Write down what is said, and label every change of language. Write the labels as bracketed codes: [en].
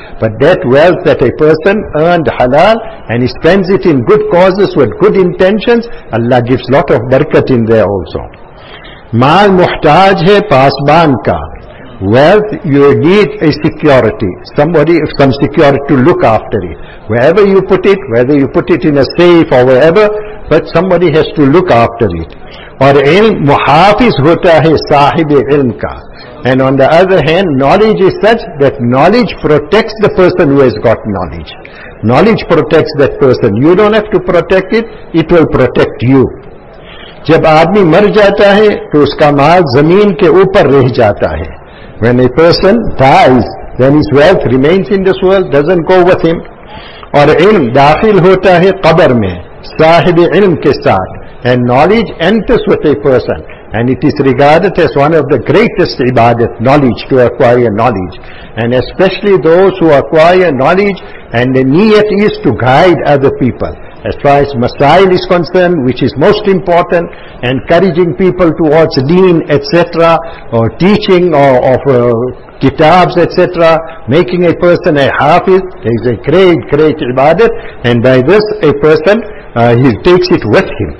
[en] But that wealth that a person earned halal and he spends it in good causes with good intentions, Allah gives lot of barakat in there also. [ur] Maal muhtaj hai pasban ka. [en] Wealth, you need a security, somebody, some security to look after it. Wherever you put it, whether you put it in a safe or wherever, but somebody has to look after it. [ur] اور علم محافظ ہوتا ہے صاحب علم کا. [en] And on the other hand, knowledge is such that knowledge protects the person who has got knowledge. Knowledge protects that person. You don't have to protect it, it will protect you. [ur] جب آدمی مر جاتا ہے تو اس کا مال زمین کے اوپر رہ جاتا ہے. [en] When a person dies, then his wealth remains in this world, doesn't go with him. [ur] اور علم داخل ہوتا ہے قبر میں صاحب علم کے ساتھ. [en] And knowledge enters with a person, and it is regarded as one of the greatest ibadat, knowledge, to acquire knowledge. And especially those who acquire knowledge and the niyat is to guide other people. as far as Masail is concerned, which is most important, encouraging people towards Deen, etc., or teaching of kitabs, etc., making a person a hafiz is a great, great ibadat, and by this a person, he takes it with him.